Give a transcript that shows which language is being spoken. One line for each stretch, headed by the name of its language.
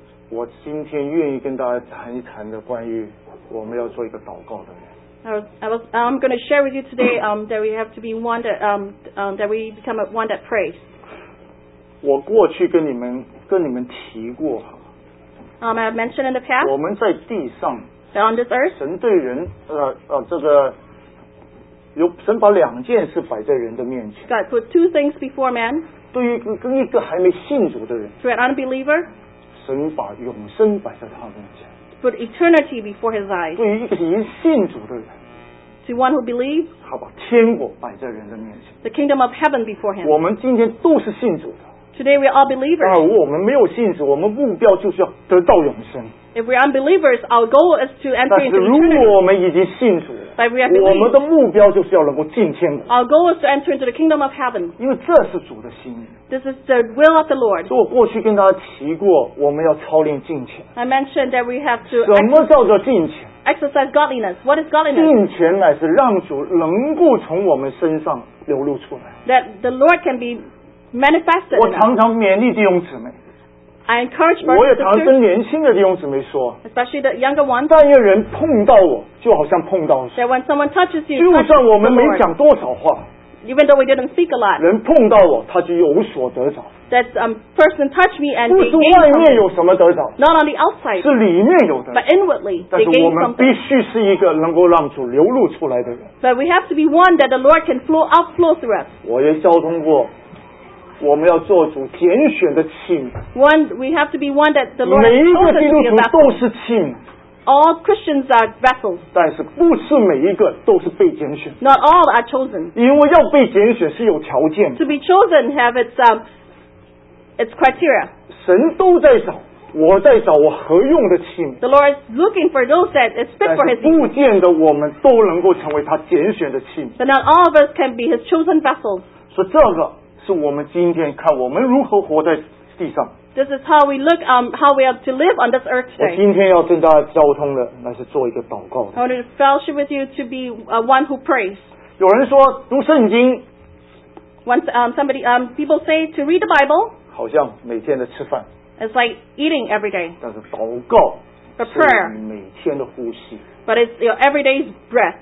Chinese: 我今天愿意跟大家谈一谈的关于我们要做一个祷告的人。
English: I'm going to share with you today that we have to be one that that we become one that prays.
Chinese: 我过去跟你们提过。
English: I have mentioned in the past.
Chinese: 我们在地上。
English: On this earth,
Chinese: 神对人，这个有神把两件事摆在人的面前。
English: God put two things before man.
Chinese: 对于跟一个还没信主的人
English: ，to an unbeliever,
Chinese: 神把永生摆在他面前。
English: Put eternity before his eyes.
Chinese: 对于一个已经信主的人
English: ，to one who believes,
Chinese: 他把天国摆在人的面前。
English: The kingdom of heaven before him.
Chinese: 我们今天都是信主的。
English: Today we are all believers.
Chinese: 如果我们没有信主, 我们目标就是要得到永生。
English: If we are unbelievers, our goal is to enter into eternity.
Chinese: 但是如果我们已经信主,
English: but we are believers.
Chinese: 我们的目标就是要能够进天国。
English: Our goal is to enter into the kingdom of heaven.
Chinese: 因为这是主的心意。
English: This is the will of the Lord.
Chinese: 所以我过去跟大家提过, 我们要操练敬虔。
English: I mentioned that we have to
Chinese: 什么叫做敬虔?
English: Exercise godliness. What is godliness?
Chinese: 敬虔乃是让主能够从我们身上流露出来。
English: That the Lord can be manifested.
Chinese: 我常常勉励弟兄姊妹。
English: I encourage
Chinese: my 我也常跟年轻的弟兄姊妹说,
English: especially the younger ones,
Chinese: 但愿人碰到我, 就好像碰到神。
English: That when someone touches you,
Chinese: 就算我们没讲多少话,
English: even though we didn't speak a lot,
Chinese: 人碰到我, 他就有所得着。
English: That person touched me and they gained something.
Chinese: 不是外面有什么得着,
English: not on the outside,
Chinese: 是里面有的,
English: but inwardly, they gained something.
Chinese: 但是我们必须是一个能够让主流露出来的人。
English: But we have to be one that the Lord can outflow through us.
Chinese: 我也交通过, 我们要做主拣选的器皿。
English: We have to be one that the Lord has chosen to be a vessel.
Chinese: 每一个基督徒都是器皿。
English: All Christians are vessels.
Chinese: 但是不是每一个都是被拣选的。
English: Not all are chosen.
Chinese: 因为要被拣选是有条件的。
English: To be chosen have its criteria.
Chinese: 神都在找, 我在找, 我何用的器皿。
English: The Lord is looking for those that is fit for His
Chinese: 但是不见得我们都能够成为他拣选的器皿。
English: But not all of us can be His chosen vessels.
Chinese: 所以这个, 是我们今天看我们如何活在地上。
English: This is how we look, how we are to live on this earth today.
Chinese: 我今天要跟大家交通的, 乃是做一个祷告的。
English: I want to fellowship with you to be one who prays.
Chinese: 有人说, 读圣经,
English: Once, somebody, people say to read the Bible,
Chinese: 好像每天的吃饭,
English: it's like eating every day.
Chinese: 但是祷告,
English: but prayer,
Chinese: 是每天的呼吸,
English: but it's your everyday breath.